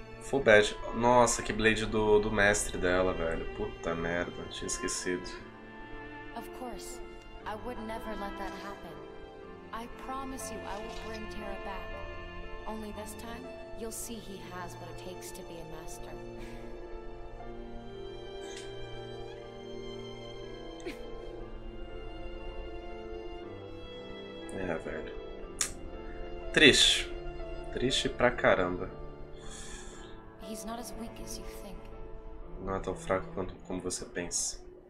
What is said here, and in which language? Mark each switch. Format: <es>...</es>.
<pt>Full bad. Nossa, que blade do mestre dela, velho. Puta merda, tinha esquecido.</pt> <en>Of course, I would never let that happen. I promise you I will bring Terra back. Only this time, you'll see he has what it takes to be a master.</en> <pt>É, velho. Triste. Triste pra caramba.</pt> <en>He's not as weak as you think.</en> <pt>Não é tão fraco quanto como você pensa.</pt>